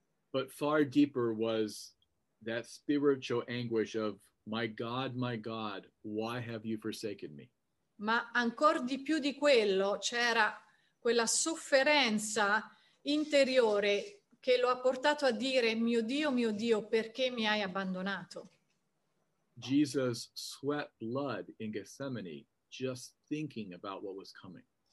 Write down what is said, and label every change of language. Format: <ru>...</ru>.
<en>But far deeper was that spiritual anguish of my God, why have you forsaken me?</en> <it>Ma ancor di più di quello c'era quella sofferenza interiore che lo ha portato a dire, mio Dio, perché mi hai abbandonato?</it> <en>Jesus sweat blood in Gethsemane just thinking about what was coming.</en>